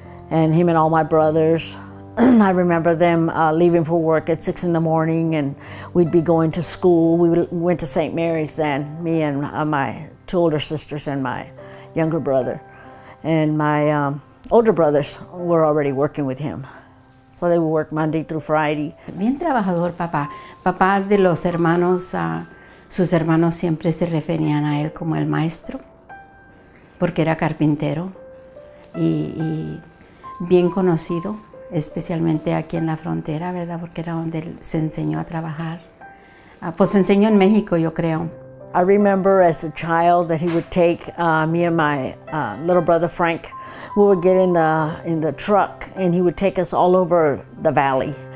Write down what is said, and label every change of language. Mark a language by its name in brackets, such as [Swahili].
[English] And him and all my brothers, I remember them leaving for work at 6 in the morning, and we'd be going to school. We went to St. Mary's then, me and my 2 older sisters and my younger brother. And my older brothers were already working with him. So they would work Monday through Friday. [Spanish] Bien trabajador, papá. Papá de los hermanos, sus hermanos siempre se referían a él como el maestro, porque era carpintero y bien conocido, especialmente aquí en la frontera, ¿verdad? Porque era donde él se enseñó a trabajar. Pues se enseñó en México, yo creo. [English] I remember as a child that he would take me and my little brother Frank, we would get in the truck, and he would take us all over the valley.